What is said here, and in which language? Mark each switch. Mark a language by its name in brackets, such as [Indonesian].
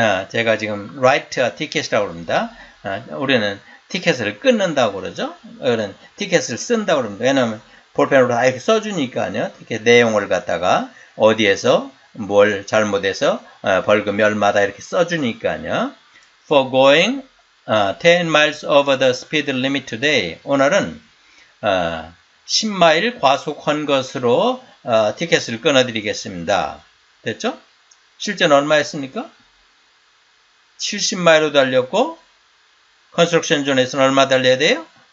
[Korean] 제가 지금 [English] write a ticket [Korean] 이라고 합니다. 우리는 ticket을 끊는다고 그러죠? 우리는 ticket을 쓴다고 합니다. 왜냐면 볼펜으로 다 이렇게 써주니까요. 이렇게 내용을 갖다가 어디에서 뭘 잘못해서 벌금 얼마다 이렇게 써주니까요. [English] For going 10 miles over the speed limit today. [Korean] 오늘은 10마일 과속한 것으로 티켓을 끊어드리겠습니다. 됐죠? 실제는 얼마였습니까? 70마일로 달렸고, 컨스트럭션 존에서는 얼마 달려야 돼요?